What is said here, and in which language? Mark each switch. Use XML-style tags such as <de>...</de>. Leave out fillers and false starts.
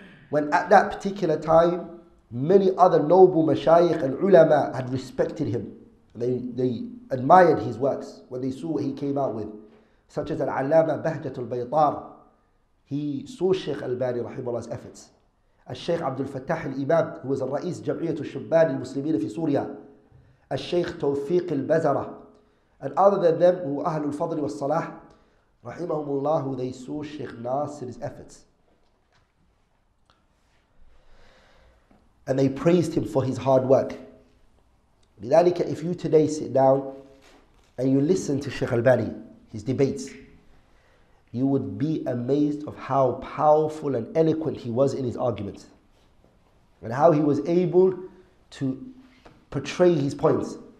<en>When at that particular time, many other noble mashayikh and ulama had respected him. They admired his works when they saw what he came out with, such as Al-Allama Bahjatul Baytar. He saw Sheikh Al-Bani rahimahullah's efforts.</en> <ar>الشيخ عبد الفتاح الإمام هو الرئيس جمعية الشبان المسلمين في سوريا. الشيخ توفيق البزرة.</ar> <en>And other than them, who</en> <ar>أهل الفضل والصلاح, رحمهم الله,</ar> <en>they saw Sheikh Nasir's efforts. And they praised him for his hard work. لذلك, if you today sit down and you listen to Sheikh Al-Bani, his debates, you would be amazed of how powerful and eloquent he was in his arguments and how he was able to portray his points.</en>